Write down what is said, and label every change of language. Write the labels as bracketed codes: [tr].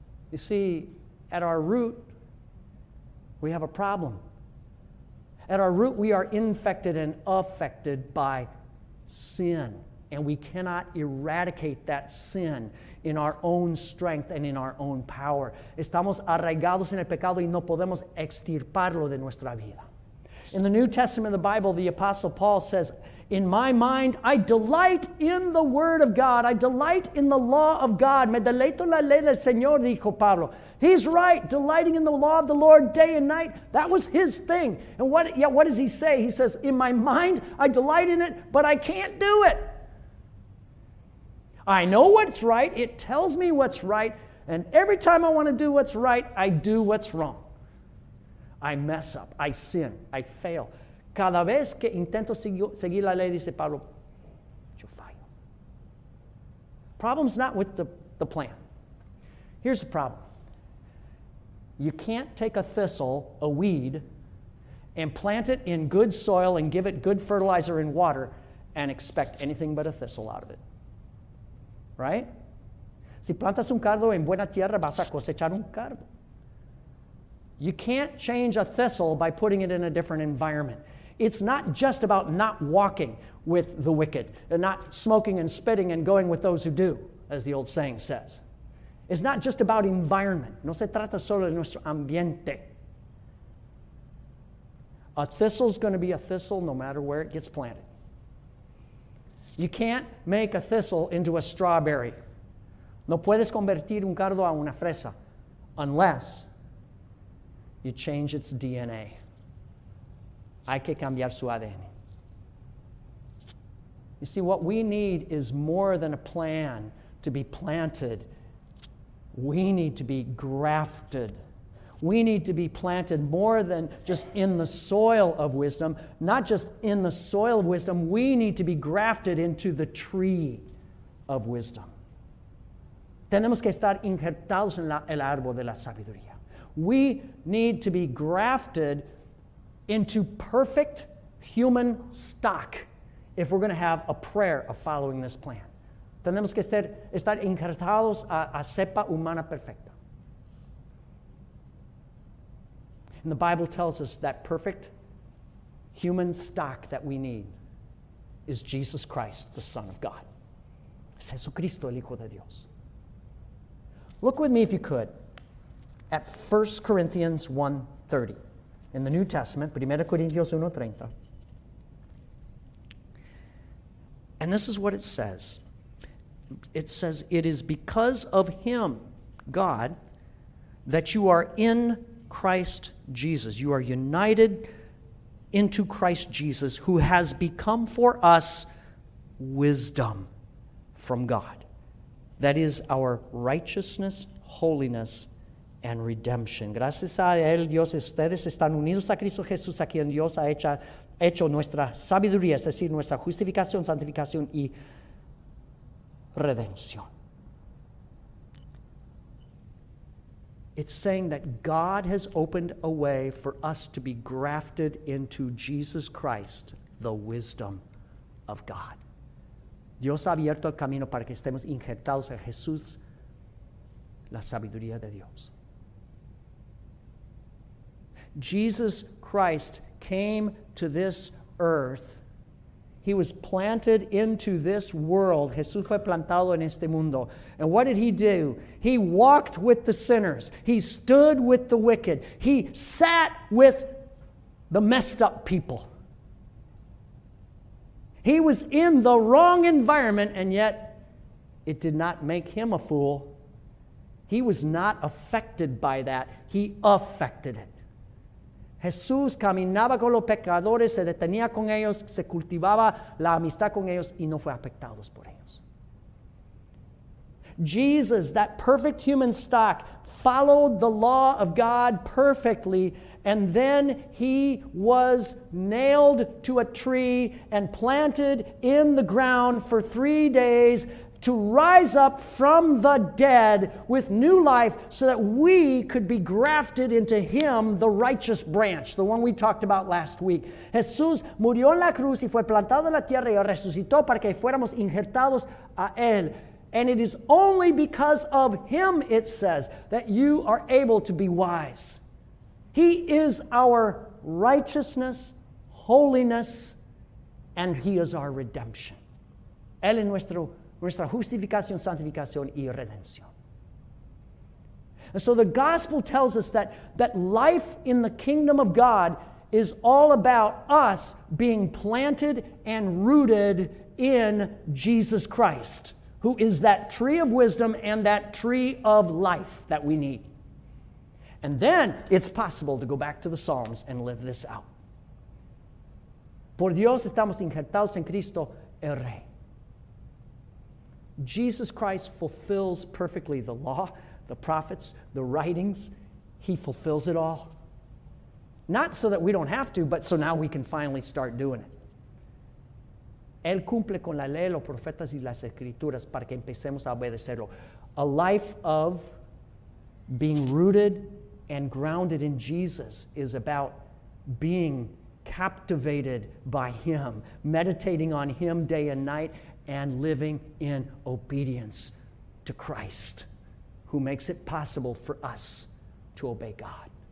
[en] You see, at our root, we have a problem. At our root, we are infected and affected by sin. And we cannot eradicate that sin in our own strength and in our own power. [es] Estamos arraigados en el pecado y no podemos extirparlo de nuestra vida. [en] In the New Testament of the Bible, the Apostle Paul says, in my mind, I delight in the word of God. I delight in the law of God. [es] Me deleito la ley del Señor, dijo Pablo. [en] He's right, delighting in the law of the Lord day and night. That was his thing. And what does he say? He says, in my mind, I delight in it, but I can't do it. I know what's right. It tells me what's right. And every time I want to do what's right, I do what's wrong. I mess up. I sin. I fail. [es] Cada vez que intento seguir la ley, dice Pablo, yo fallo. [en] Problem's not with the plan. Here's the problem. You can't take a thistle, a weed, and plant it in good soil and give it good fertilizer and water and expect anything but a thistle out of it. Right? [es] Si plantas un cardo en buena tierra, vas a cosechar un cardo. [en] You can't change a thistle by putting it in a different environment. It's not just about not walking with the wicked, and not smoking and spitting and going with those who do, as the old saying says. It's not just about environment. [es] No se trata solo de nuestro ambiente. [en] A thistle's going to be a thistle no matter where it gets planted. You can't make a thistle into a strawberry. [es] No puedes convertir un cardo a una fresa. [en] Unless you change its DNA. [es] Hay que cambiar su ADN. [en] You see, what we need is more than a plan to be planted. We need to be grafted. We need to be planted more than just in the soil of wisdom. Not just in the soil of wisdom. We need to be grafted into the tree of wisdom. [es] Tenemos que estar injertados en el árbol de la sabiduría. [en] We need to be grafted into perfect human stock if we're going to have a prayer of following this plan. [es] Tenemos que estar injertados a cepa humana perfecta. [en] And the Bible tells us that perfect human stock that we need is Jesus Christ, the Son of God. [es] Es Jesucristo, el Hijo de Dios. [en] Look with me, if you could, at 1 Corinthians 1:30 in the New Testament, 1 Corinthians 1:30. And this is what it says. It says, it is because of him, God, that you are in Christ Jesus. You are united into Christ Jesus, who has become for us wisdom from God. That is our righteousness, holiness, and redemption. [es] Gracias a él, Dios, ustedes están unidos a Cristo Jesús, a quien Dios ha hecho nuestra sabiduría, es decir, nuestra justificación, santificación y redención. [en] It's saying that God has opened a way for us to be grafted into Jesus Christ, the wisdom of God. [es] Dios ha abierto el camino para que estemos injertados en Jesús, la sabiduría de Dios. [en] Jesus Christ came to this earth. He was planted into this world. [es] Jesús fue plantado en este mundo. [en] And what did he do? He walked with the sinners. He stood with the wicked. He sat with the messed up people. He was in the wrong environment, and yet it did not make him a fool. He was not affected by that. He affected it. [es] Jesús caminaba con los pecadores, se detenía con ellos, se cultivaba la amistad con ellos, y no fue afectado por ellos. [en] Jesus, that perfect human stock, followed the law of God perfectly, and then he was nailed to a tree and planted in the ground for 3 days to rise up from the dead with new life so that we could be grafted into him, the righteous branch, the one we talked about last week. [es] Jesús murió en la cruz y fue plantado en la tierra y resucitó para que fuéramos injertados a él. [en] And it is only because of him, it says, that you are able to be wise. He is our righteousness, holiness, and he is our redemption. [es] Él es nuestra justificación, santificación y redención. [en] And so the gospel tells us that life in the kingdom of God is all about us being planted and rooted in Jesus Christ, who is that tree of wisdom and that tree of life that we need. And then it's possible to go back to the Psalms and live this out. [es] Por Dios estamos injertados en Cristo el Rey. [en] Jesus Christ fulfills perfectly the law, the prophets, the writings. He fulfills it all. Not so that we don't have to, but so now we can finally start doing it. [es] Él cumple con la ley, los profetas y las escrituras para que empecemos a obedecerlo. [en] A life of being rooted and grounded in Jesus is about being captivated by Him, meditating on Him day and night, and living in obedience to Christ, who makes it possible for us to obey God.